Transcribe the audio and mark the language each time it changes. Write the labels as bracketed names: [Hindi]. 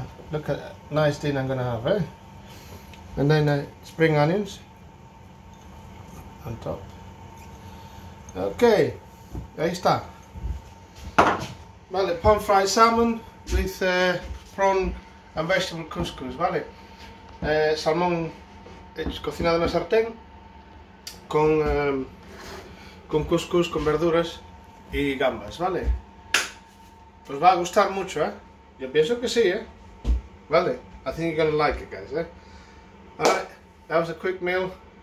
[English] Look at a nice dinner I'm gonna have, eh? And then spring onions on top. Okay, [Spanish] ahí está. Vale, [English] pan fried salmon with prawn and vegetable couscous, [Spanish] vale? Salmón hecho, cocinado en la sartén con couscous, con verduras y gambas, vale? Pues va a gustar mucho, eh? Yo pienso que sí, eh? Vale, [English] I think you're gonna like it, guys. Eh? Alright, that was a quick meal.